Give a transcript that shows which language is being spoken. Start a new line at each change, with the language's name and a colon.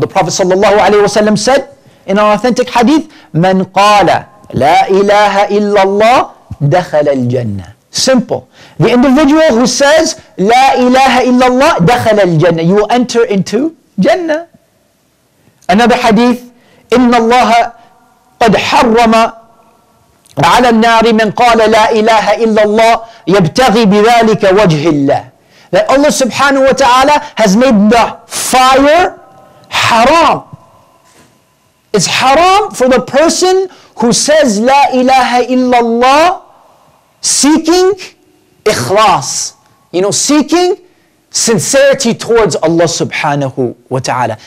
English: The Prophet sallallahu alayhi wa sallam said in an authentic hadith,
Arabic: "Man qala La ilaha illallah dakhala al-jannah."
English: Simple. The individual who says La ilaha illallah
Arabic: dakhala al-jannah,
English: you will enter into Jannah. Another hadith,
Arabic: "Inna Allah qad harrama على النار من قال لا إله إلا الله يبتغي بذلك وجه الله."
English: That Allah subhanahu wa ta'ala has made the fire haram. It's haram for the person who says لا إله إلا الله seeking ikhlas. You know, seeking sincerity towards Allah subhanahu wa ta'ala.